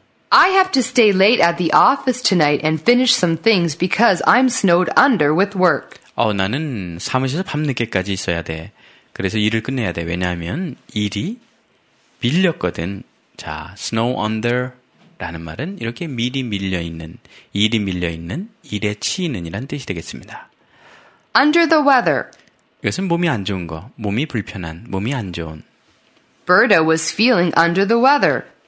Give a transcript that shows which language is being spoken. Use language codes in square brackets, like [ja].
[en] I have to stay late at the office tonight and finish some things because I'm snowed under with work. [ko] 나는 사무실에서 밤늦게까지 있어야 돼. 그래서 일을 끝내야 돼. 왜냐하면 일이 밀렸거든. 자, [en] snow under [ko] 라는 말은 이렇게 미리 밀려있는, 일이 밀려있는, 일에 치이는 이란 뜻이 되겠습니다. [en] Under the weather. [ko] 이것은 몸이 안 좋은 거, 몸이 불편한, 몸이 안 좋은. [en] Berta was feeling under the weather.